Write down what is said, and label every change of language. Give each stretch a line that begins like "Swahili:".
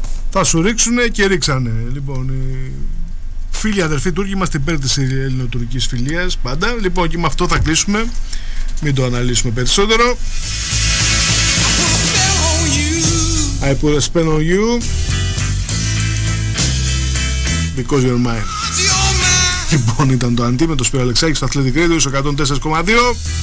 Greek: Θα σου ρίξουνε και ρίξανε. Λοιπόν, οι φίλοι αδερφοί Τούρκοι είμαστε υπέρ της ελληνοτουρκικής φιλίας πάντα. Λοιπόν, και με αυτό θα κλείσουμε. Μην το αναλύσουμε περισσότερο.
English: I wanna spell on you. I put a spell on you because you're mine.
Greek: Λοιπόν, ήταν το Αντί με το Σπύρο Αλεξάκη στο Athletic Radio στο 104,2.